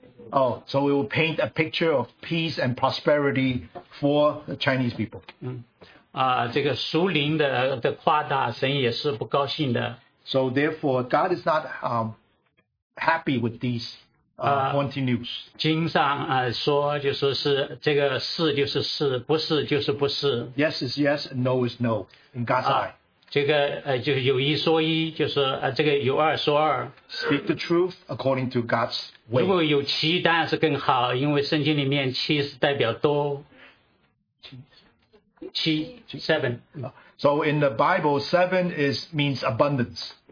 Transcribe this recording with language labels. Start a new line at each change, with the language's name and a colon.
English: Oh, so we will paint a picture of peace and prosperity for the Chinese people.
Chinese: 这个属灵的夸大，神也是不高兴的。
English: So therefore, God is not happy with these haunting news.
Chinese: 经上说就说是这个是就是是，不是就是不是。
English: Yes is yes, no is no. In God's eye.
Chinese: 这个就是有一说一，就是这个有二说二。
English: Speak the truth according to God's way.
Chinese: 如果有七，当然是更好，因为圣经里面七是代表多。七 seven.
English: So in the Bible, seven is means abundance.